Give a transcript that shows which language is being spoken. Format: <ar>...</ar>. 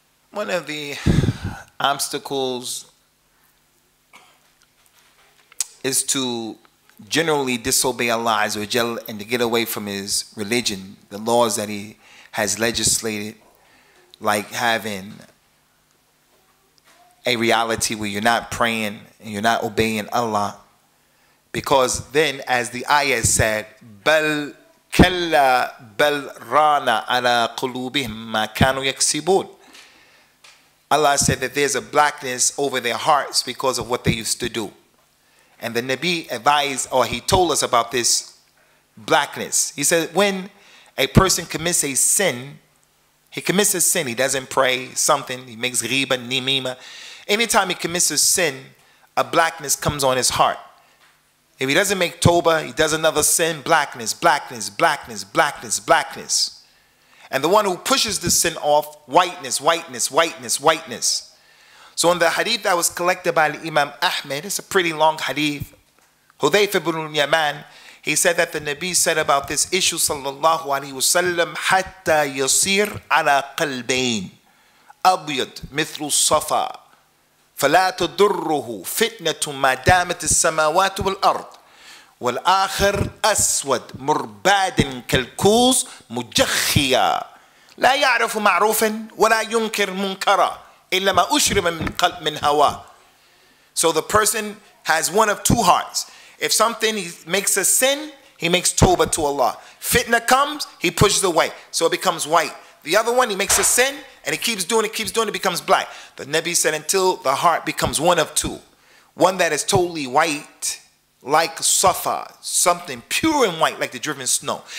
<en>One of the obstacles is to generally disobey Allah Azza wa Jal and to get away from His religion, the laws that He has legislated, like having a reality where you're not praying and you're not obeying Allah. Because then, as the ayah said,</en> <ar>بَلْ كَلَّا بَلْ رَانَ عَلَىٰ قُلُوبِهِمْ مَا كَانُوا يَكْسِبُونَ.</ar> <en>Allah said that there's a blackness over their hearts because of what they used to do. And the Nabi advised, or he told us about this blackness. He said, when a person commits a sin, he commits a sin, he doesn't pray, something, he makes ghiba, nimima. Anytime he commits a sin, a blackness comes on his heart. If he doesn't make tawbah, he does another sin, blackness, blackness, blackness, blackness, blackness. And the one who pushes the sin off, whiteness, whiteness, whiteness, whiteness. So in the hadith that was collected by Imam Ahmed, it's a pretty long hadith, Hudhayfa ibn al-Yaman, he said that the Nabi said about this issue, sallallahu alayhi wa sallam,</en> <ar>hatta yasir ala qalbayn, abyad mithru safa, fala tudurruhu fitnatu ma damat as-samawati wal-ard. والآخر أسود مرباد كالكوز مجخيا لا يعرف معروفا ولا ينكر منكرا إلا ما أشرب من قلب من هوا.</ar> <en>So the person has one of two hearts. If something he makes a sin, he makes tawbah to Allah. Fitna comes, he pushes away, so it becomes white. The other one, he makes a sin and he keeps doing it, keeps doing it, becomes black. The Nabi said, until the heart becomes one of two, one that is totally white, like Safa, something pure and white, like the driven snow.</en>